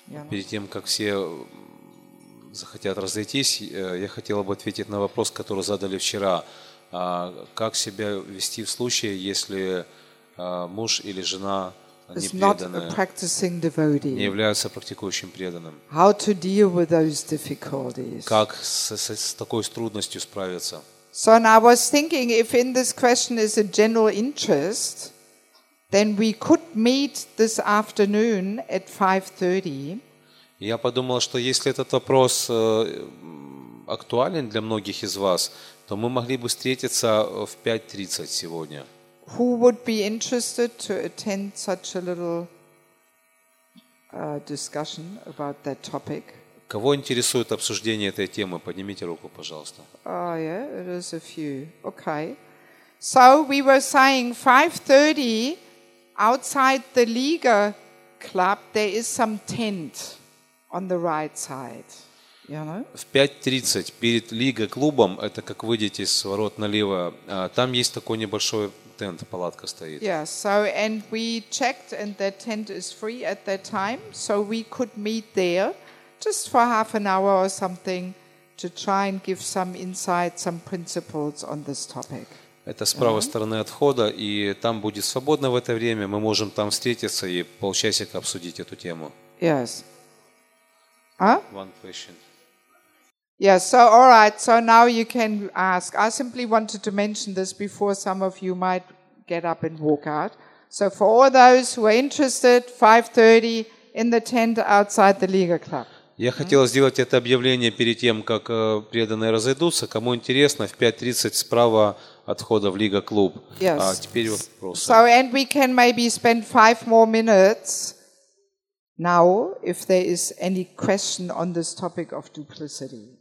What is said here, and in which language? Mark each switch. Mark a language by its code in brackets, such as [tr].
[ru] Перед тем, как все захотят разойтись, я хотел бы ответить на вопрос, который задали вчера. Как себя вести в случае, если муж или жена не являются практикующим преданным? [en] How to deal with those difficulties? [ru] Как с такой трудностью справиться? [en] So now I was thinking, if in this question is a general interest, then we could meet this afternoon at 5:30. [ru] Я подумал, что если этот вопрос актуален для многих из вас, то мы могли бы встретиться в 5:30 сегодня. [en] Who would be interested to attend such a little discussion about that topic? [ru] Кого интересует обсуждение этой темы? Поднимите руку, пожалуйста. [en] Oh, yeah, it is a few. Okay. So we were saying 5:30 outside the Liga Club there is some tent on the right side. [ru] В 5:30 перед лигой клубом, это как выйдете с ворот налево, там есть такой небольшой тент, палатка стоит. [en] Yeah, so and we checked and the tent is free at that time, so we could meet there just for half an hour or something to try and give some insight, some principles on this topic. [ru] Это с правой стороны от входа, и там будет свободно в это время, мы можем там встретиться и полчасика обсудить эту тему. [en] Yes. One question. Yes, so all right, so now you can ask. I simply wanted to mention this before some of you might get up and walk out. So for all those who are interested, 5:30 in the tent outside the Liga Club. [ru] Я хотел сделать это объявление перед тем, как преданные разойдутся. Кому интересно, в 5:30 справа от входа в Лига Клуб. [en] Yes. [ru] А теперь вопросы. [en] So and we can maybe spend 5 more minutes now if there is any question on this topic of duplicity.